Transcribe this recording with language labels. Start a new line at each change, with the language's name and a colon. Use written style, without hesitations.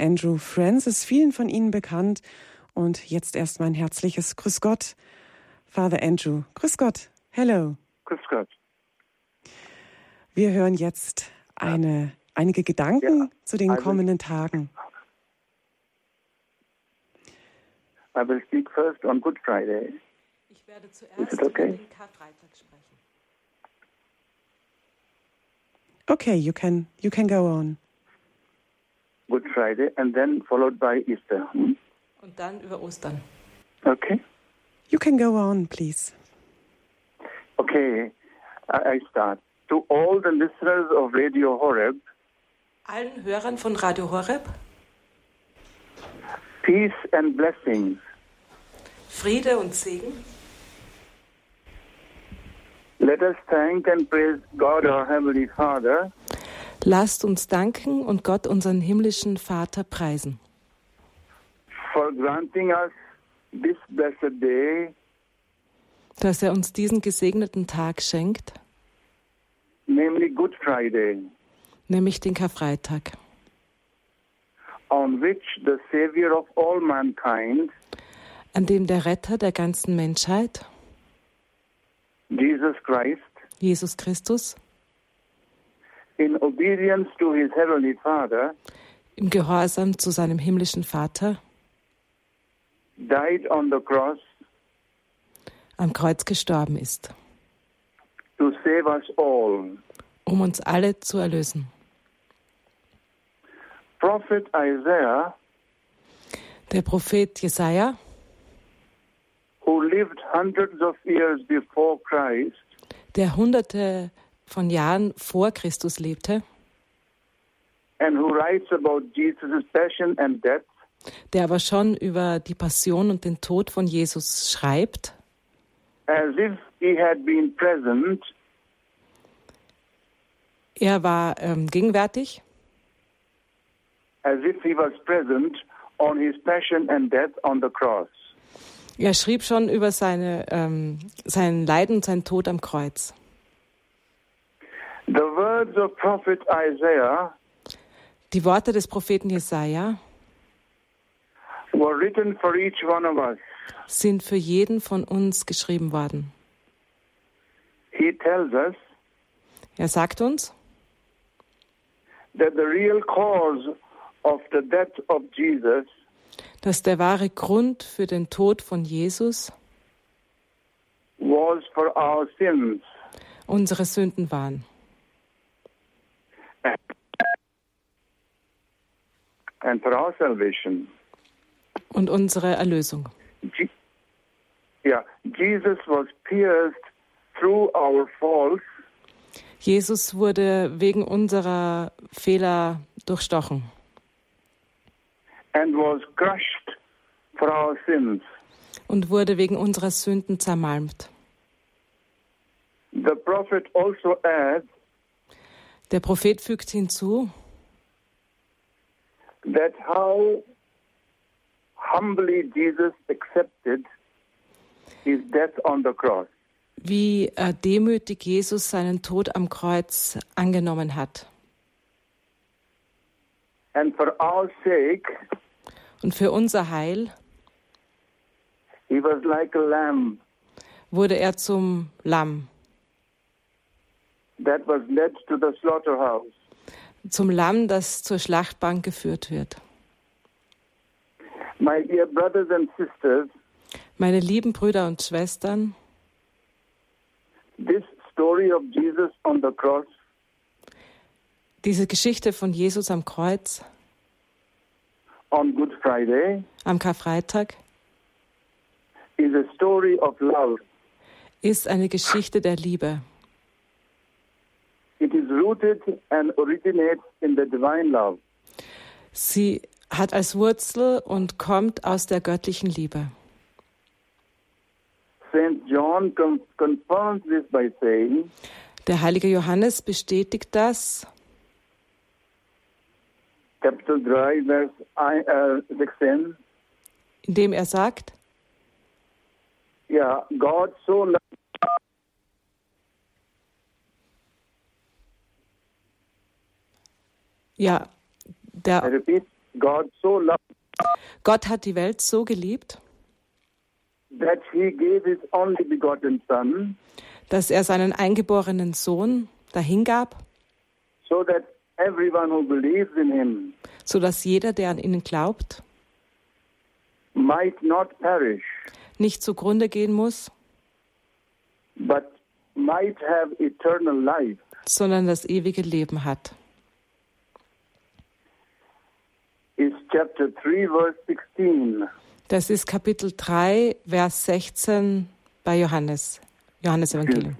German: Andrew Francis, vielen von Ihnen bekannt. Und jetzt erst mein herzliches Grüß Gott, Father Andrew. Grüß Gott.
English: Hello.
German: Grüß Gott. Wir hören jetzt einige Gedanken zu den kommenden Tagen.
English: I will speak first on Good Friday.
German: Ich werde zuerst über den Karfreitag sprechen.
English: Okay, you can go on. Good Friday and then followed by Easter.
German: Und dann über Ostern.
English: Okay. You can go on, please. Okay, I start. To all the listeners of Radio Horeb.
German: Allen Hörern von Radio Horeb.
English: Peace and blessings.
German: Friede und Segen.
English: Let us thank and praise God, our Heavenly Father.
German: Lasst uns danken und Gott, unseren himmlischen Vater, preisen.
English: For granting us this blessed day.
German: Dass er uns diesen gesegneten Tag schenkt.
English: Namely Good Friday.
German: Nämlich den Karfreitag.
English: On which the Savior of all mankind.
German: An dem der Retter der ganzen Menschheit,
English: Jesus Christ,
German: Jesus Christus,
English: in obedience to his heavenly Father,
German: im Gehorsam zu seinem himmlischen Vater,
English: died on the cross,
German: am Kreuz gestorben ist,
English: to save us all,
German: um uns alle zu erlösen.
English: Prophet Isaiah,
German: der Prophet Jesaja,
English: who lived hundreds of years before Christ,
German: der hunderte von Jahren vor Christus lebte,
English: and who writes about Jesus' passion and death,
German: der aber schon über die Passion und den Tod von Jesus schreibt,
English: as if he had been present,
German: er war gegenwärtig,
English: as if he was present on his passion and death on the cross.
German: Er schrieb schon über sein Leiden und seinen Tod am Kreuz.
English: The words of Prophet Isaiah,
German: die Worte des Propheten Jesaja,
English: were written for each one of us.
German: Sind für jeden von uns geschrieben worden.
English: He tells us,
German: er sagt uns,
English: that the real cause of the death of Jesus,
German: dass der wahre Grund für den Tod von Jesus
English: was for our sins,
German: unsere Sünden waren.
English: And for our salvation.
German: Und unsere Erlösung.
English: Jesus was pierced through our faults.
German: Jesus wurde wegen unserer Fehler durchstochen.
English: And was crushed for our sins.
German: Und wurde wegen unserer Sünden zermalmt.
English: The prophet also adds,
German: der Prophet fügt hinzu,
English: that how humbly Jesus accepted his death on the cross.
German: Wie demütig Jesus seinen Tod am Kreuz angenommen hat.
English: And for our sake,
German: und für unser Heil,
English: he was like a lamb,
German: wurde er zum Lamm.
English: That was led to the slaughterhouse.
German: Zum Lamm, das zur Schlachtbank geführt wird.
English: My dear brothers and sisters,
German: meine lieben Brüder und Schwestern,
English: this story of Jesus on the cross,
German: diese Geschichte von Jesus am Kreuz,
English: on Good Friday,
German: am Karfreitag,
English: is a story of love.
German: Ist eine Geschichte der Liebe.
English: It is rooted and originates in the divine love.
German: Sie hat als Wurzel und kommt aus der göttlichen Liebe.
English: Saint John confirms this by saying,
German: der heilige Johannes bestätigt das. Kapitel 3, Vers 16. indem er sagt,
English: ja, God so loved.
German: Ja, der
English: God so loved,
German: Gott hat die Welt so geliebt,
English: that he gave his only begotten son,
German: dass er seinen eingeborenen Sohn dahingab,
English: so that everyone who believes in him,
German: so dass jeder, der an ihn glaubt,
English: might not perish,
German: nicht zugrunde gehen muss,
English: but might have eternal life,
German: sondern das ewige Leben hat.
English: Is chapter 3, verse 16.
German: Das ist Kapitel 3, Vers 16 bei Johannes, Johannes Evangelium.